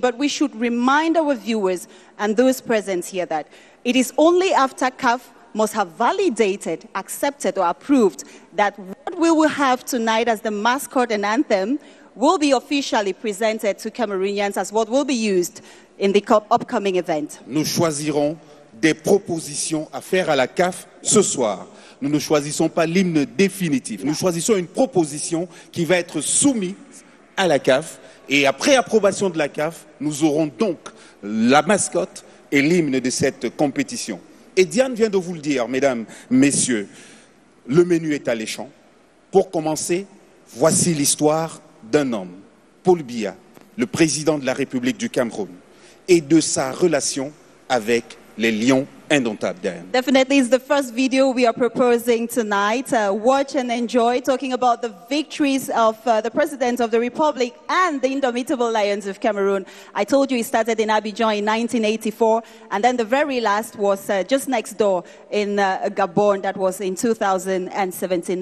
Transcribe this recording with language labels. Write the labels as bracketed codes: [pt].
[en] But we should remind our viewers and those present here that it is only after CAF must have validated, accepted, or approved that what we will have tonight as the mascot and anthem will be officially presented to Cameroonians as what will be used in the upcoming event. [fr] Nous choisirons des propositions à faire à la CAF ce soir. Nous ne choisissons pas l'hymne définitif. Nous choisissons une proposition qui va être soumise à la CAF. Et après approbation de la CAF, nous aurons donc la mascotte et l'hymne de cette compétition. Et Diane vient de vous le dire, mesdames, messieurs, le menu est alléchant. Pour commencer, voici l'histoire d'un homme, Paul Biya, le président de la République du Cameroun, et de sa relation avec les Lions Indomptables. Diane. [en] Definitely, it's the first video we are proposing tonight. Watch and enjoy, talking about the victories of the President of the Republic and the Indomitable Lions of Cameroon. I told you he started in Abidjan in 1984, and then the very last was just next door in Gabon, that was in 2017.